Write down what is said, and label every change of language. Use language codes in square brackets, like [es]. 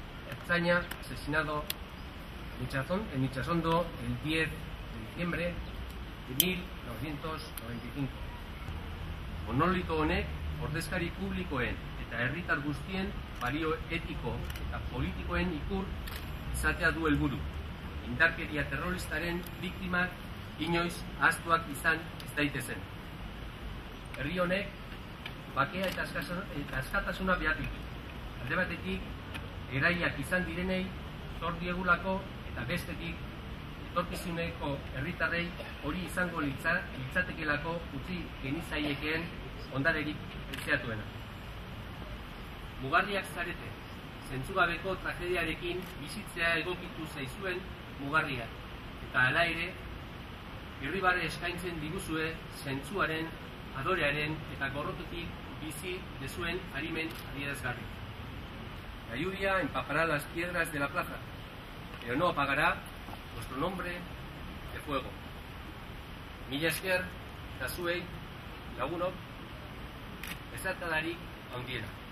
[es] Ertzaina asesinado en Itxasondo el 10 de diciembre de 1995. [eu] Monolito honek, ordezkari publikoen eta herritar guztien balio etiko eta politikoen ikur izatea du helburu. Indarkeria terroristaren biktimak inoiz ahaztuak izan ez daitezen. Herri honek bakea eta askatasuna behar ditu. Alde batetik, eraiak izan direnei zor diegulako eta bestetik, etorkizuneko herritarrei hori izango litzatekelako utzi genizaiekeen ondarerik preziatuena. Mugarriak zarete, zentzugabeko tragediarekin bizitzea egokitu zaizuen mugarria, eta hala ere, irribarre eskaintzen diguzue zentzuaren, adorearen eta gorrotutik bizi dezuen harimen adierazgarri. [es] La lluvia empapará las piedras de la plaza, pero no apagará vuestro nombre de fuego. [eu] Mila esker, eta zuei, lagunok, ezartadarik handiena.